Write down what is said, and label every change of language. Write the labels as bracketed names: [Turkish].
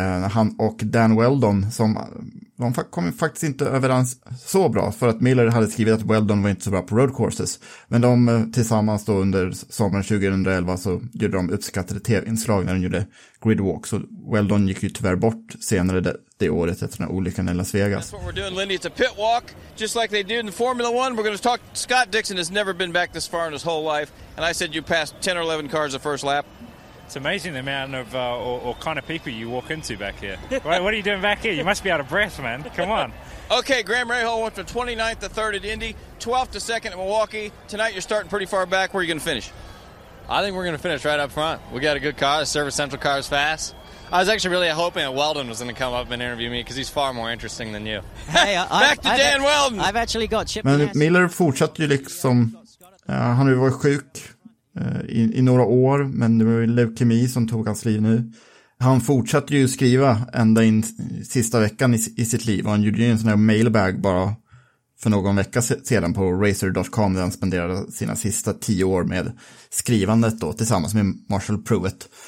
[Swedish] Han och Dan Weldon, som de kom faktiskt inte överens så bra, för att Miller hade skrivit att Weldon var inte så bra på roadcourses. Men de tillsammans då under sommaren 2011 så gjorde de uppskattade tv-inslag när de gjorde gridwalk. Så Weldon gick ju tyvärr bort senare det året efter den olyckan i Las Vegas. [English] That's what we're doing, Lindy. It's a pit walk, just like they do in Formula 1. We're going to talk. Scott Dixon has never been back this far in his whole life. And I said you passed 10 or 11 cars the first lap. It's amazing the amount of or kind of people you walk into back here. What are you doing back here? You must be out of breath, man. Come on. Okay, Graham Rahal went from 29th to 3rd at Indy, 12th to 2nd at Milwaukee. Tonight you're starting pretty far back. Where are you going to finish? I think we're going to finish right up front. We got a good car. The Service Central car is fast. I was actually really hoping that Weldon was going to come up and interview me because he's far more interesting than you. Hey, back to Dan Weldon. I've actually got Chip. [Swedish] Men Miller fortsatte ju liksom, han har ju varit sjuk i några år, men det var ju leukemi som tog hans liv nu. Han fortsatte ju skriva ända in sista veckan i sitt liv. Han gjorde ju en sån här mailbag bara för någon vecka sedan på Racer.com där han spenderade sina sista 10 år med skrivandet då, tillsammans med Marshall Pruitt.